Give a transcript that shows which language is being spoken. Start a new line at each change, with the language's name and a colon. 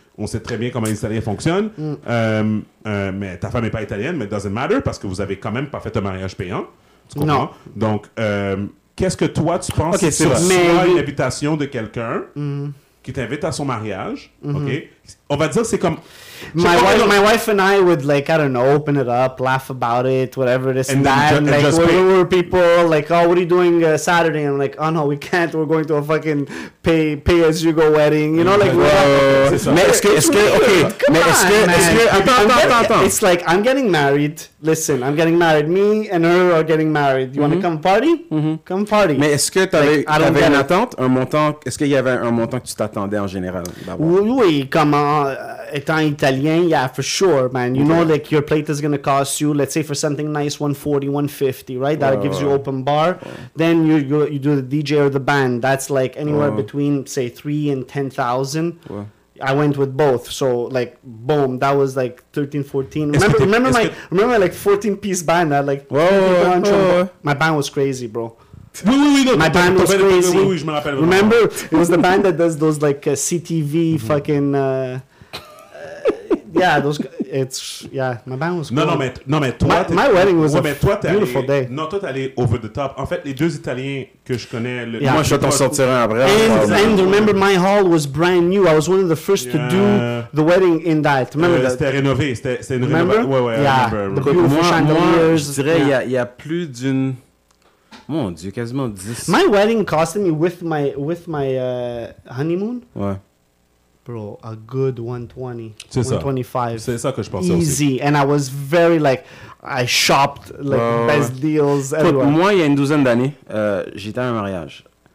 French: On sait très bien comment les Italiens fonctionnent. Mm. Mais ta femme n'est pas italienne, mais
English: it doesn't matter,
French: parce que vous n'avez quand même pas fait un mariage payant. Tu comprends? Non. Donc, qu'est-ce que toi, tu penses okay, sur soi, l'invitation de quelqu'un qui t'invite à son mariage, OK? On va dire, c'est comme...
English: My wife and I would, like, I don't know, open it up, laugh about it, whatever, this and that. We're people, what are you doing Saturday? And I'm like, oh, no, we can't. We're going to a fucking pay-as-you-go wedding. You know, like, it's like, I'm getting married. Listen, I'm getting married. Me and her are getting married. You want to come party? Mm-hmm. Come party.
French: Mais est-ce que t'avais une attente, un montant, est-ce qu'il y avait un montant que tu t'attendais en général d'avoir? Oui, comment, étant italien,
English: yeah, for sure, man. You know, like, your plate is going to cost you, let's say, for something nice, $140, $150, right? That gives you open bar. Then you do the DJ or the band. That's, like, anywhere between, say, $3,000 and $10,000. I went with both, so like boom, that was like 13, 14. Remember like 14 piece band that like my band was crazy, bro. My band was crazy. Remember, it was the band that does those like CTV fucking yeah, those. It's yeah, my band was.
French: Cool. Non mais toi.
English: My wedding was beautiful day.
French: Non, toi t'es allé
English: over the top.
French: En fait, les deux Italiens que je connais. Moi, je vais t'en sortir un après.
English: And remember, my hall was brand new. I was one of the first to do the wedding in that. Remember that?
French: C'était rénové. C'était une rénovation.
English: Remember?
French: Moi, je dirais il y a plus d'une. Mon Dieu, quasiment 10.
English: My wedding cost me with my honeymoon.
French: Ouais.
English: Bro, a good 120, 125.
French: C'est ça que je pensais.
English: Easy,
French: aussi.
English: And I was very like, I shopped like best deals.
French: Écoute, moi, il y a une douzaine d'années, j'étais à un mariage.